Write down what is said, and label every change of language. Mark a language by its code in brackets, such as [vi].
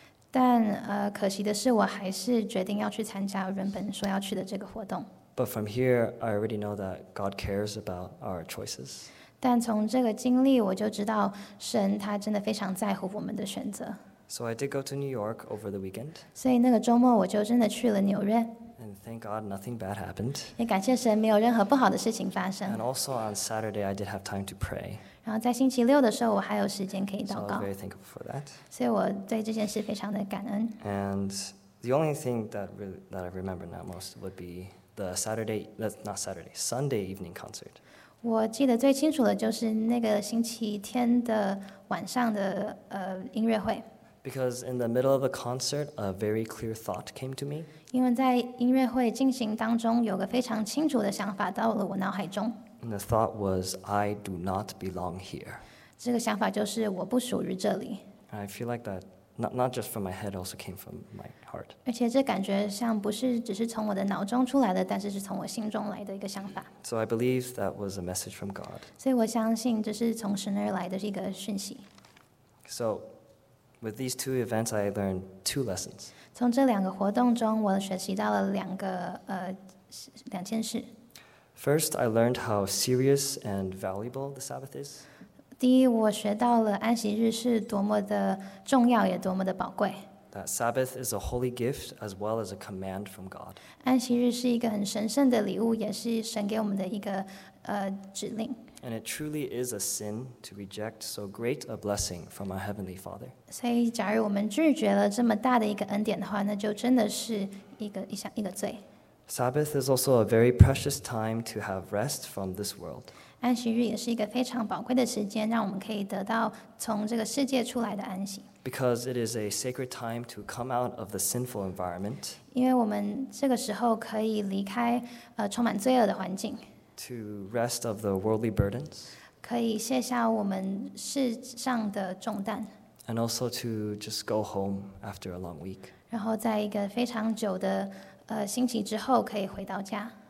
[zh] 但可惜的是，我还是决定要去参加原本说要去的这个活动。 [en] But from here, I already know that God cares about our choices. [zh] 但从这个经历，我就知道神他真的非常在乎我们的选择。 [en] So I did go to New York over the weekend. [zh] 所以那个周末我就真的去了纽约。 [en] And thank God, nothing bad happened. [zh] 也感谢神，没有任何不好的事情发生。 [en] And also on Saturday, I did have time to pray. [zh] 然后在星期六的时候，我还有时间可以祷告。 [en] So I'm very thankful for that. [zh] 所以我对这件事非常的感恩。 [en] And the only thing that I remember now most would be the Sunday evening concert. [zh] 我记得最清楚的就是那个星期天的晚上的音乐会。 [en] Because in the middle of the concert, a very clear thought came to me. [zh] 因为在音乐会进行当中，有个非常清楚的想法到了我脑海中。 [en] And the thought was, I do not belong here. [zh] 这个想法就是我不属于这里。 [en] I feel like that not just from my head, also came from my heart. [zh] 而且这感觉像不是只是从我的脑中出来的，但是是从我心中来的一个想法。 [en] So I believe that was a message from God. [zh] 所以我相信这是从神而来的一个讯息。 [en] So. With these two events, I learned two lessons. [zh] 从这两个活动中，我学习到了两件事。 [en] First, I learned how serious and valuable the Sabbath is. [zh] 第一，我学到了安息日是多么的重要，也多么的宝贵。 [en] That Sabbath is a holy gift as well as a command from God. [zh] 安息日是一个很神圣的礼物，也是神给我们的一个指令。 [en] And it truly is a sin to reject so great a blessing from our Heavenly Father. [zh] 所以假如我们拒绝了这么大的一个恩典的话，那就真的是一个罪。 [en] Sabbath is also a very precious time to have rest from this world. [zh] 安息日也是一个非常宝贵的时间，让我们可以得到从这个世界出来的安息。 [en] Because it is a sacred time to come out of the sinful environment. [zh] 因为我们这个时候可以离开充满罪恶的环境。 [en] To rest of the worldly burdens, [zh] 可以卸下我们世上的重担 [en] and also to just go home after a long week. [zh] 然后在一个非常久的星期之后可以回到家